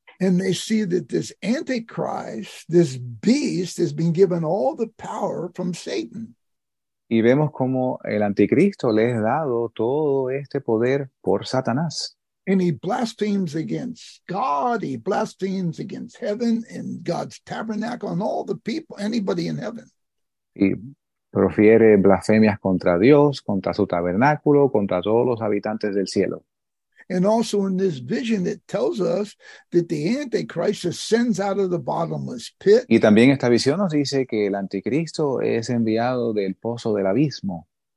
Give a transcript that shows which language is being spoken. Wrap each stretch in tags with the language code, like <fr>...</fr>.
<en>And they see that this Antichrist, this beast, has been given all the power from Satan.</en> <es>Y vemos cómo el anticristo le ha dado todo este poder por Satanás.</es> <en>And he blasphemes against God, he blasphemes against heaven and God's tabernacle and all the people, anybody in heaven.</en> <es>Y profiere blasfemias contra Dios, contra su tabernáculo, contra todos los habitantes del cielo.</es> <en>And also in this vision, it tells us that the Antichrist ascends out of the bottomless pit.</en> <es>Y también esta visión nos dice que el anticristo es enviado del pozo del abismo.</es>